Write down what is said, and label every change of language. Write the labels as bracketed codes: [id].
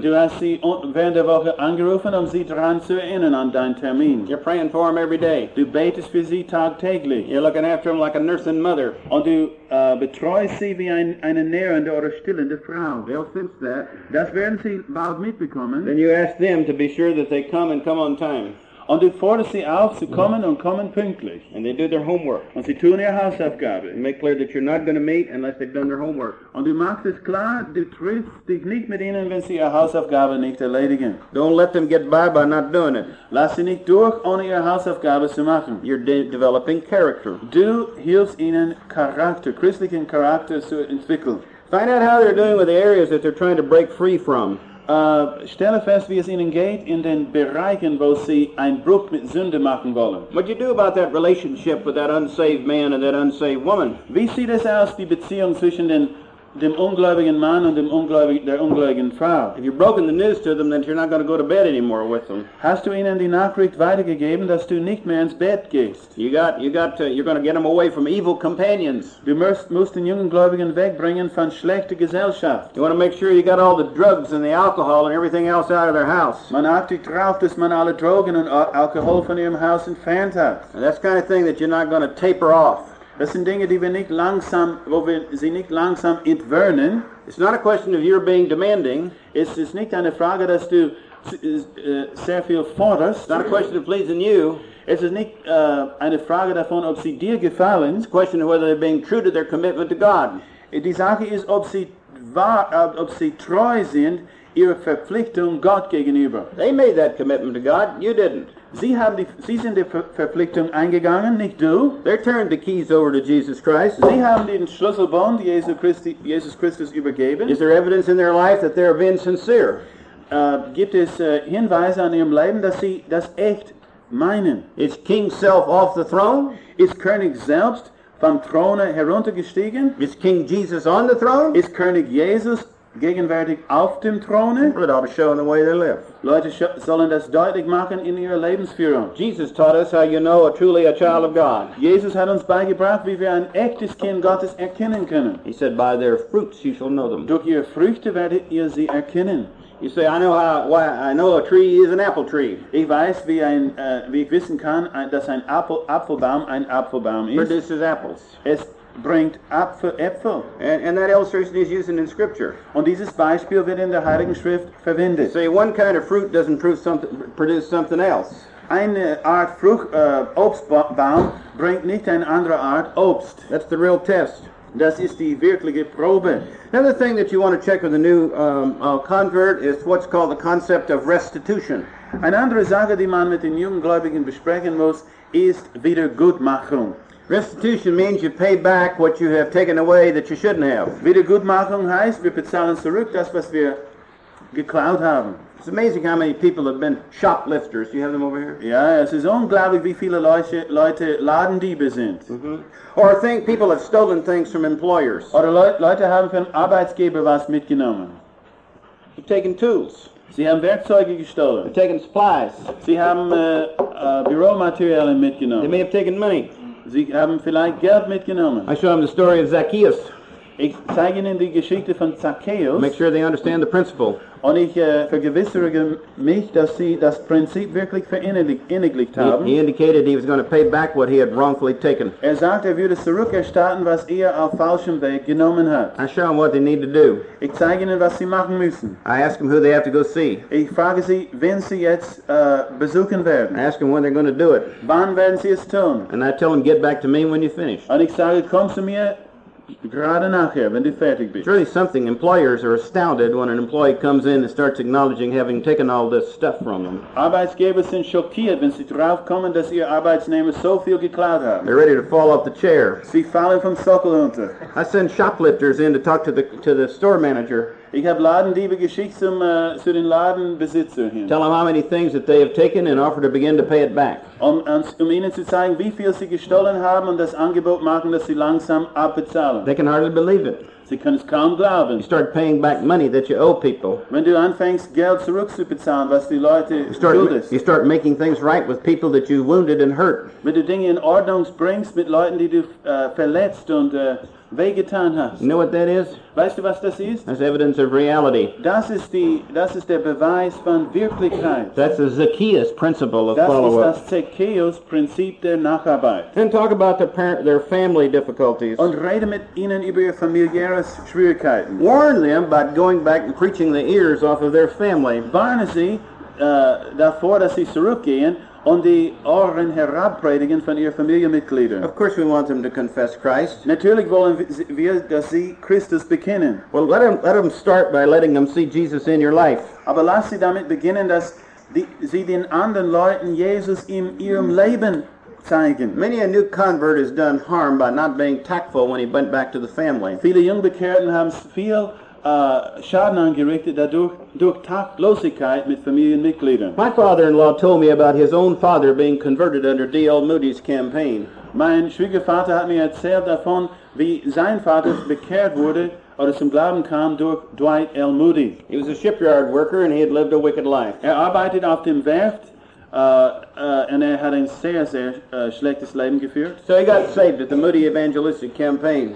[de] Du hast sie während der Woche angerufen, um sie daran zu erinnern an deinen Termin. [en] You're praying for them every day. [de] Du betest für sie tagtäglich. [en] You're looking after them like a nursing mother. [de] Und du betreust sie wie eine nährende oder stillende Frau. [en] They'll sense that. [de] Das werden sie bald mitbekommen. [en] Then you ask them to be sure that they come and come on time. [de] Und du forderst sie auf, zu kommen und kommen pünktlich. [en] And they do their homework. [de] Und sie tun ihre Hausaufgabe. [en] And make clear that you're not going to meet unless they've done their homework. [de] Und du machst es klar, du triffst dich nicht mit ihnen, wenn sie ihre Hausaufgabe nicht erledigen. [en] Don't let them get by not doing it. [de] Lass sie nicht durch, ohne ihre Hausaufgabe zu machen. [en] You're developing character. [de] Du hilfst ihnen, Charakter, christlichen Charakter zu entwickeln. [en] Find out how they're doing with the areas that they're trying to break free from. [de] Stelle fest, wie es ihnen geht in den Bereichen, wo sie einen Bruch mit Sünde machen wollen. [en] What you do about that relationship with that unsaved man and that unsaved woman? [de] Wie sieht es aus, die Beziehung zwischen dem ungläubigen Mann und der ungläubigen Frau? [en] If you've broken the news to them, then you're not going to go to bed anymore with them. [de] Hast du ihnen die Nachricht weitergegeben, dass du nicht mehr ins Bett gehst? [en] You're going to get them away from evil companions. [de] Du musst den jungen Gläubigen wegbringen von schlechter Gesellschaft. [en] You want to make sure you got all the drugs and the alcohol and everything else out of their house. [de] Man achtet darauf, dass man alle Drogen und Alkohol von ihrem Haus entfernt hat. [en] And that's the kind of thing that you're not going to taper off. [de] Das sind Dinge, die wir nicht langsam, wo wir sie nicht langsam entwöhnen. [en] It's not a question of your being demanding. [de] Es ist nicht eine Frage, dass du sehr viel forderst. [en] It's not a question of pleasing you. [de] Es ist nicht eine Frage davon, ob sie dir gefallen. [en] It's a question of whether they're being true to their commitment to God. [de] Die Sache ist, ob sie treu sind ihrer Verpflichtung Gott gegenüber. [en] They made that commitment to God. You didn't. [de] Sie sind die Verpflichtung eingegangen, nicht du. [en] They turned the keys over to Jesus Christ. [de] Sie haben den Schlüsselbund Jesus Christus übergeben. [en] Is there evidence in their life that they're being sincere? [de] Gibt es Hinweise an ihrem Leben, dass sie das echt meinen? [en] Is King Self off the throne? [de] Ist König selbst vom Throne heruntergestiegen? [en] Is King Jesus on the throne? [de] Ist König Jesus gegenwärtig auf dem Throne? [en] It ought to show in the way they live. [de] Leute sollen das deutlich machen in ihrer Lebensführung. [en] Jesus taught us how you know truly a child of God. [de] Jesus hat uns beigebracht, wie wir ein echtes Kind Gottes erkennen können. [en] He said, by their fruits you shall know them. [de] Durch ihre Früchte werdet ihr sie erkennen. [en] You say, I know a tree is an apple tree. [de] Ich weiß, wie ich wissen kann, dass ein Apfelbaum ein Apfelbaum ist. [en] Produces apples. [de] Es bringt Äpfel. [en] And that illustration is used in Scripture. [de] Und dieses Beispiel wird in der Heiligen Schrift verwendet. [en] You say, one kind of fruit doesn't produce something else. [de] Eine Art Obstbaum bringt nicht eine andere Art Obst. [en] That's the real test. [de] Das ist die wirkliche Probe. [en] Another thing that you want to check with a new convert is what's called the concept of restitution. [de] Eine andere Sache, die man mit den jungen Gläubigen besprechen muss, ist Wiedergutmachung. [en] Restitution means you pay back what you have taken away that you shouldn't have. [de] Wiedergutmachung heißt, wir bezahlen zurück das, was wir geklaut haben. [en] It's amazing how many people have been shoplifters. Do you have them over here? [de] Yeah, es ist unglaublich, wie viele Leute Ladendiebe sind. Mm-hmm. [en] Or think people have stolen things from employers. [de] Oder Leute haben von Arbeitsgeber was mitgenommen. [en] They've taken tools. [de] Sie haben Werkzeuge gestohlen. [en] They've taken supplies. [de] Sie haben Büromaterialien mitgenommen. [en] They may have taken money. [de] Sie haben vielleicht Geld mitgenommen. [en] I show them the story of Zacchaeus. [de] Ich zeige Ihnen die Geschichte von Zacchaeus. [en] Make sure they understand the principle. [de] Und ich vergewissere mich, dass sie das Prinzip wirklich verinnerlicht haben. [en] He indicated he was going to pay back what he had wrongfully taken. [de] Er sagte, er würde zurückerstatten, was er auf falschem Weg genommen hat. [en] I show them what they need to do. [de] Ich zeige Ihnen, was sie machen müssen. [en] I ask them who they have to go see. [de] Ich frage sie, wen sie jetzt besuchen werden. [en] I ask them when they're going to do it. [de] Wann werden sie es tun? [en] And I tell them, get back to me when you finish. [de] Und ich sage, komm zu mir. Gerade nachher, wenn du fertig bist. [en] It's really something. Employers are astounded when an employee comes in and starts acknowledging having taken all this stuff from them. [de] Arbeitsgeber sind schockiert, wenn sie drauf kommen, dass ihr Arbeitsnehmer so viel geklaut hat. [en] They're ready to fall off the chair. [de] Sie fallen vom Sockel unter. [en] I send shoplifters in to talk to the store manager. [de] Ich habe Ladendiebe geschickt zu den Ladenbesitzer hin. [en] Tell them how many things that they have taken and offer to begin to pay it back. [de] Um ihnen zu zeigen, wie viel sie gestohlen haben und das Angebot machen, dass sie langsam abbezahlen. [en] They can hardly believe it. [de] Sie können es kaum glauben. [en] You start paying back money that you owe people. [de] Wenn du anfängst, Geld zurückzubezahlen, was die Leute schuldest. [en] You start making things right with people that you wounded and hurt. [de] Wenn du Dinge in Ordnung bringst mit Leuten, die du verletzt und wehgetan hast. [en] You know what that is? [de] Weißt du, was das ist? [en] That's evidence of reality. [de] Das ist der Beweis von Wirklichkeit. [en] That's the Zacchaeus principle of follow-up. [de] Das ist das Zacchaeus Prinzip der Nacharbeit. [en] Then talk about their family difficulties. [de] Und rede mit ihnen über ihre familiäre Schwierigkeiten. [en] Warn them by going back and preaching the ears off of their family. [de] Warne sie davor, dass sie zurückgehen und die Ohren herabpredigen von ihren Familienmitgliedern. [en] Of course we want them to confess Christ. [de] Natürlich wollen wir, dass sie Christus bekennen. [en] Well, let them start by letting them see Jesus in your life. [de] Aber lass sie damit beginnen, dass sie den anderen Leuten Jesus in ihrem Leben zeigen. [en] Many a new convert has done harm by not being tactful when he went back to the family. [de] Viele junge Bekehrten haben viel Schaden angerichtet dadurch Taktlosigkeit mit Familienmitgliedern. [en] My father-in-law told me about his own father being converted under D.L. Moody's campaign. [de] Mein Schwiegervater hat mir erzählt davon, wie sein Vater bekehrt wurde oder zum Glauben kam durch Dwight L. Moody. [en] He was a shipyard worker and he had lived a wicked life. [de] Er arbeitet auf dem Werft und er hat ein sehr schlechtes Leben geführt. [en] So he got saved at the Moody Evangelistic Campaign.